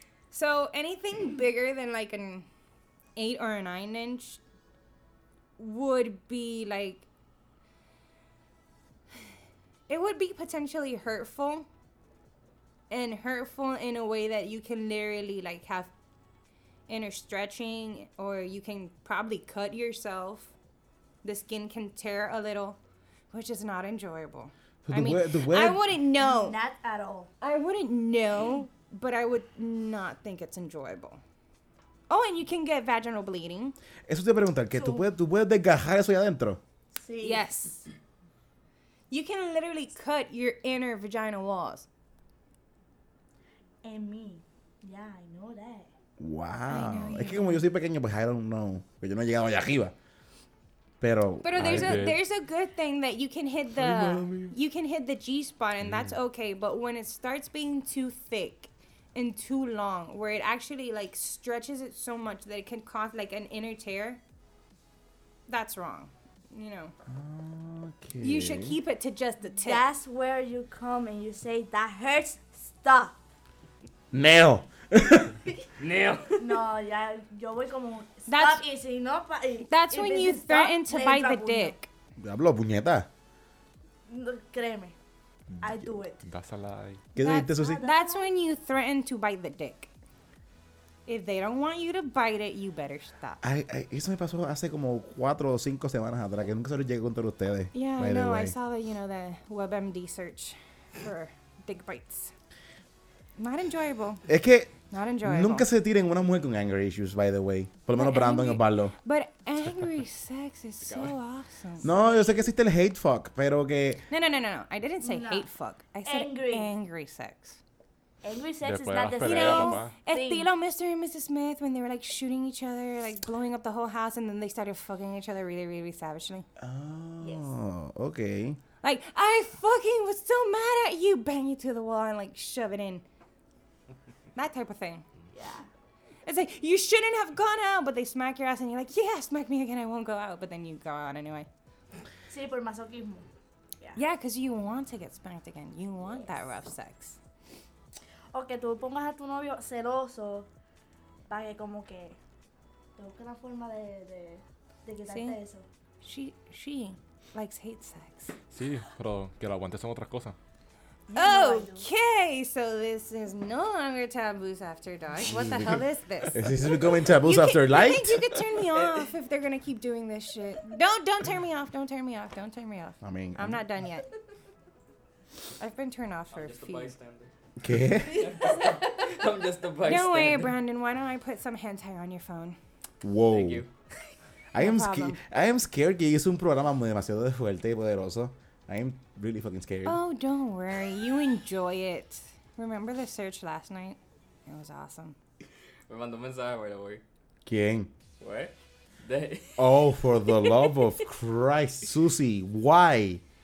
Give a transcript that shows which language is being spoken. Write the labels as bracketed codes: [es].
[en] So, anything bigger than like an 8 or a 9 inch would be like, it would be potentially hurtful, and hurtful in a way that you can literally like have inner stretching, or you can probably cut yourself. The skin can tear a little, which is not enjoyable. So I mean, the way I wouldn't know. Not at all. I wouldn't know, but I would not think it's enjoyable. Oh, and you can get vaginal bleeding. [es] Eso te pregunta que tú puedes desgajar eso ahí adentro. Sí. [en] Yes. You can literally cut your inner vagina walls. And me. Yeah, I know that. [es] Wow. Know es que como yo soy pequeño, pues [en] I don't know. [es] Pero yo no he llegado allá arriba. Pero [en] there's a good thing that you can hit the G-spot, and that's okay. But when it starts being too thick and too long, where it actually like stretches it so much that it can cause like an inner tear, that's wrong. You know. Okay. You should keep it to just the tip. That's where you come and you say, that hurts, stop. Nail. Nail. [es] No, ya, yo voy como, stop y si no, pa, [en] that's when you threaten to bite the dick. [es] Hablo, puñeta. No, créeme. [en] I do it. That's a lie. [es] ¿Qué dijiste, Susi? [en] That's when you threaten to bite the dick. If they don't want you to bite it, you better stop. [es] Eso me pasó hace como 4 o 5 semanas atrás, que nunca se lo llegué a contar a ustedes. [en] Yeah, I know. I saw the, you know, the WebMD search for dick bites. Not enjoyable. [es] Es que [en] not enjoyable. [es] Nunca se tiren una mujer con [en] anger issues, by the way. [es] Por lo menos Brandon y Pablo. [en] But angry sex is so awesome. [es] No, yo sé que existe el [en] hate fuck, [es] pero que... [en] No. I didn't say hate fuck. I said angry sex. Angry sex is not the same. You know, estilo Mr. and Mrs. Smith when they were like shooting each other, like blowing up the whole house, and then they started fucking each other really, really, really savagely. Oh, okay. Like, I fucking was so mad at you, bang you to the wall and like shove it in. That type of thing. Yeah. It's like, you shouldn't have gone out, but they smack your ass and you're like, yeah, smack me again, I won't go out. But then you go out anyway. [es] Sí, por masoquismo. [en] Yeah, because you want to get smacked again. You want that rough sex. Okay, [es] tú pongas a tu novio celoso para que como que te busque una forma de quitarte sí. eso. [en] She likes hate sex. [es] Sí, pero que lo aguantes son otras cosas. [en] Okay, so this is no longer taboos after dark. What the hell is this? Is this becoming taboos after light? I think you could turn me off if they're gonna keep doing this shit. Don't turn me off. Don't turn me off. Don't turn me off. I mean, I'm not done yet. I've been turned off for a few. I'm just a bystander. [es] ¿Qué? [en] I'm just a bystander. No way, Brandon. Why don't I put some hentai on your phone? Whoa. Thank you. I am scared. [es] Que es un programa demasiado fuerte y poderoso. [en] I am really fucking scared. Oh, don't worry. You enjoy it. Remember the search last night? It was awesome. [es] Me mandó un mensaje, [en] by the way. [es] ¿Quién? [en] What? Oh, for the love of Christ, Susie. Why?